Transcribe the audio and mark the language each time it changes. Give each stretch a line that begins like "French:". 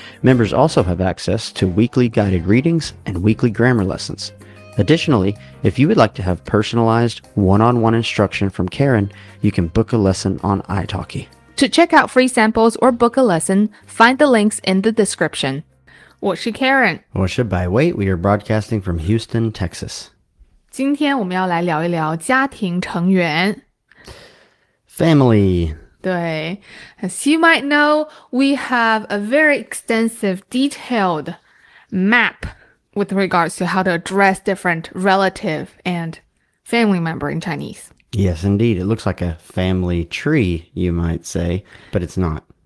English: Members also have access to weekly guided readings and weekly grammar lessons. Additionally, if you would like to have personalized one-on-one instruction from Karen, you can book a lesson on italki. To check out free samples or book a lesson, find the links in the description.
Chinese: 我是 Karen. 我是
English: By Wait. We are broadcasting from Houston, Texas.
Chinese: 今天我们要来聊一聊家庭成员。
English: Family.
Chinese: 对。
English: As you might know, we have a very extensive, detailed map with regards to how to address different relative and family member in Chinese. Yes, indeed. It looks like a family tree, you might say, but it's not.